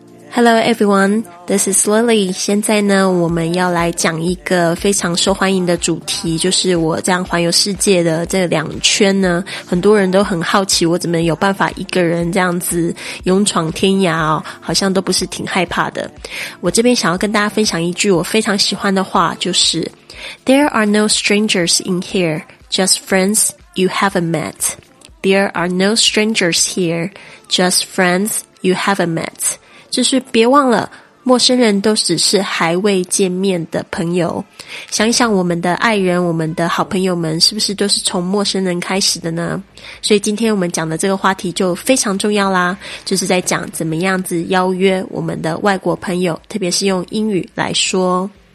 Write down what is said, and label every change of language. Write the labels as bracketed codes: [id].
[en] Hello everyone, this is Lily. [zh] 现在呢，我们要来讲一个非常受欢迎的主题，就是我这样环游世界的这两圈呢，很多人都很好奇我怎么有办法一个人这样子勇闯天涯哦，好像都不是挺害怕的。我这边想要跟大家分享一句我非常喜欢的话，就是 [en] There are no strangers in here, just friends you haven't met. There are no strangers here, just friends you haven't met. [zh] 就是别忘了，陌生人都只是还未见面的朋友。想想我们的爱人，我们的好朋友们，是不是都是从陌生人开始的呢？所以今天我们讲的这个话题就非常重要啦，就是在讲怎么样子邀约我们的外国朋友，特别是用英语来说。